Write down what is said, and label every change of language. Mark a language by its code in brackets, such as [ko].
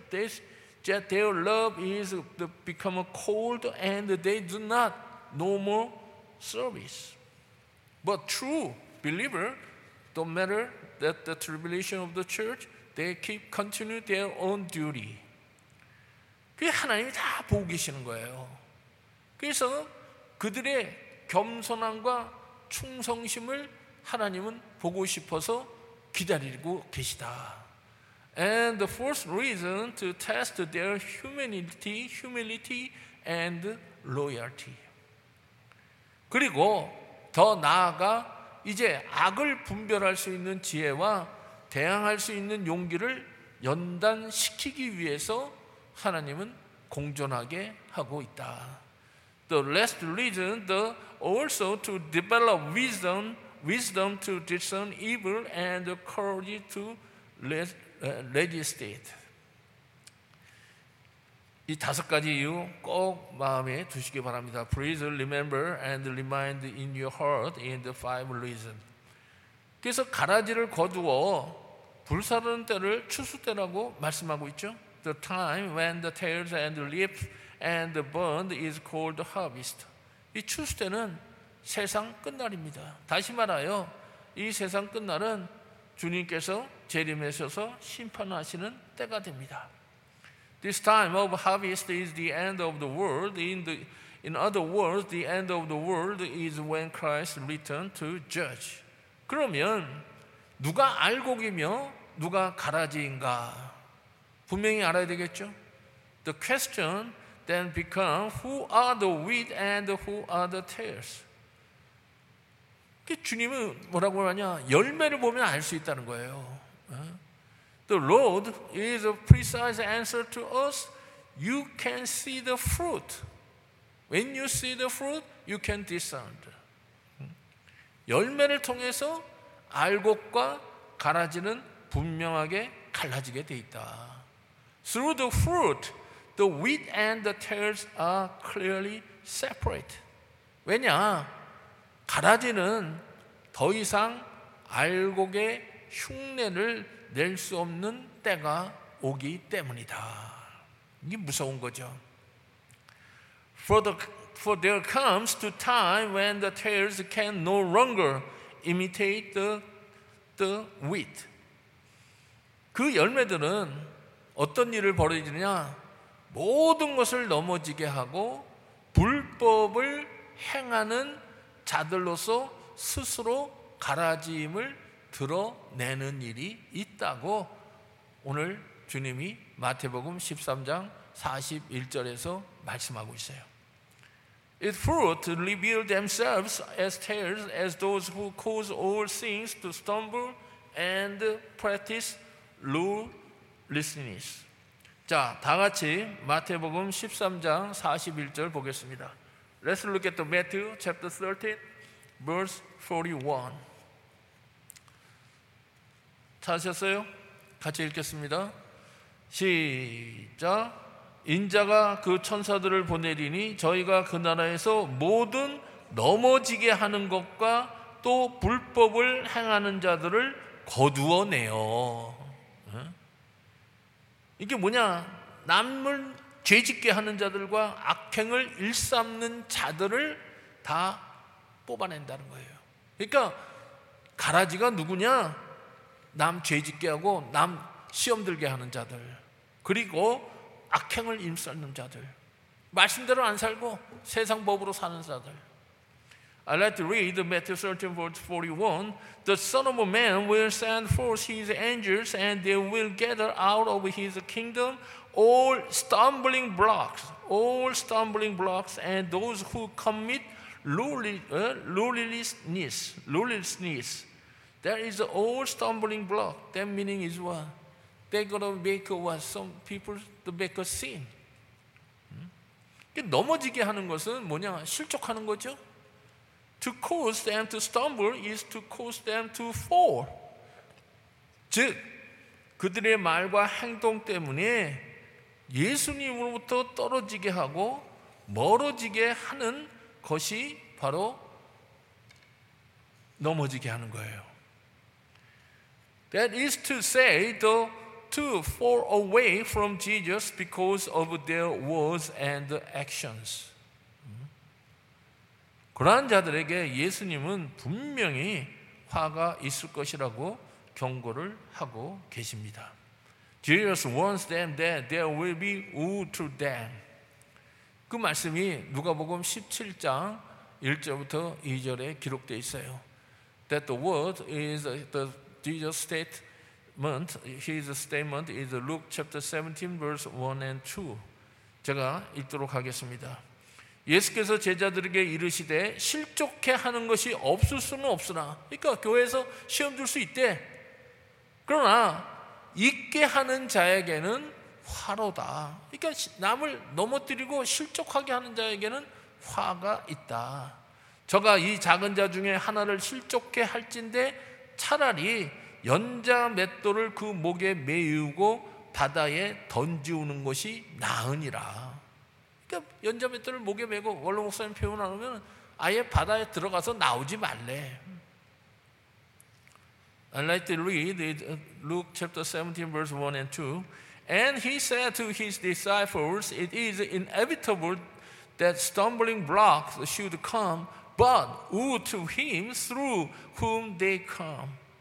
[en] Their love is become cold and they do not no more service. But true believer, don't matter that the tribulation of the church, they keep continue their own duty. [ko] 그게 하나님이 다 보고 계시는 거예요. 그래서 그들의 겸손함과 충성심을 하나님은 보고 싶어서 기다리고 계시다. [en] And the fourth reason to test their humility and loyalty. [ko] 그리고 더 나아가 이제 악을 분별할 수 있는 지혜와 대항할 수 있는 용기를 연단시키기 위해서 하나님은 공존하게 하고 있다. [en] The last reason, also to develop wisdom to discern evil and courage to resist it. [ko] 이 다섯 가지 이유 꼭 마음에 두시기 바랍니다. [en] Please remember and remind in your heart in the five reasons. [ko] 그래서 가라지를 거두어 불사르는 때를 추수 때라고 말씀하고 있죠. [en] The time when the tares and the leaves and the burned is called harvest. [ko] 이 추수 때는 세상 끝날입니다. 다시 말하여 이 세상 끝날은 주님께서 재림하셔서 심판하시는 때가 됩니다. [en] This time of harvest is the end of the world. In other words, the end of the world is when Christ returns to judge. [ko] 그러면 누가 알곡이며 누가 가라지인가? 분명히 알아야 되겠죠? [en] The question then becomes, who are the wheat and who are the tares? [ko] 주님은 뭐라고 하냐? 열매를 보면 알 수 있다는 거예요. [en] The Lord is a precise answer to us. You can see the fruit. When you see the fruit, you can discern. [ko] 열매를 통해서 알곡과 가라지는 분명하게 갈라지게 돼 있다. [en] Through the fruit, the wheat and the tares are clearly separate. [ko] 왜냐? 가라지는 더 이상 알곡의 흉내를 낼 수 없는 때가 오기 때문이다. 이게 무서운 거죠. [en] For there comes to time when the tares can no longer imitate the wheat. [ko] 그 열매들은 어떤 일을 벌이느냐? 모든 것을 넘어지게 하고 불법을 행하는 자들로서 스스로 가라지임을 드러내는 일이 있다고 오늘 주님이 마태복음 13장 41절에서 말씀하고 있어요. [en] Its fruit reveal themselves as tares, as those who cause all things to stumble and practice lawlessness. [ko] 자, 다 같이 마태복음 13장 41절 보겠습니다. [en] Let's look at the Matthew chapter 13, verse 41. [ko] 찾으셨어요? 같이 읽겠습니다. 시작. 인자가 그 천사들을 보내리니 저희가 그 나라에서 모든 넘어지게 하는 것과 또 불법을 행하는 자들을 거두어내요. 이게 뭐냐? 남을 죄짓게 하는 자들과 악행을 일삼는 자들을 다 뽑아낸다는 거예요. 그러니까 가라지가 누구냐? 남 죄짓게 하고 남 시험들게 하는 자들, 그리고 악행을 일삼는 자들, 말씀대로 안 살고 세상 법으로 사는 자들. [en] I'd like to read Matthew 13, verse 41. The Son of Man will send forth his angels, and they will gather out of his kingdom all stumbling blocks, and those who commit lawlessness. There is all stumbling block. That meaning is what? They're going to make what? Some people to make a sin. [ko] 넘어지게 하는 것은 뭐냐? 실족하는 거죠. [en] To cause them to stumble is to cause them to fall. [ko] 즉, 그들의 말과 행동 때문에 예수님으로부터 떨어지게 하고 멀어지게 하는 것이 바로 넘어지게 하는 거예요. [en] That is to say, to fall away from Jesus because of their words and actions. [ko] 그러한 자들에게 예수님은 분명히 화가 있을 것이라고 경고를 하고 계십니다. [en] Jesus warns them that there will be woe to them. [ko] 그 말씀이 누가복음 17장 1절부터 2절에 기록되어 있어요. [en] That the word is the Jesus' statement. His statement is Luke chapter 17, verse 1 and 2. [ko] 제가 읽도록 하겠습니다. 예수께서 제자들에게 이르시되 실족해 하는 것이 없을 수는 없으나, 그러니까 교회에서 시험 줄 수 있대. 그러나 있게 하는 자에게는 화로다. 그러니까 남을 넘어뜨리고 실족하게 하는 자에게는 화가 있다. 저가 이 작은 자 중에 하나를 실족해 할진대 차라리 연자 맷돌을 그 목에 메우고 바다에 던지우는 것이 나으니라. 그러니까 연자 맷돌을 목에 메고, 원로 목사님 표현 안 하면 아예 바다에 들어가서 나오지 말래. [en] I like to read Luke chapter 17 verse 1 and 2. And he said to his disciples, it is inevitable that stumbling blocks should come, but woe to him through whom they come.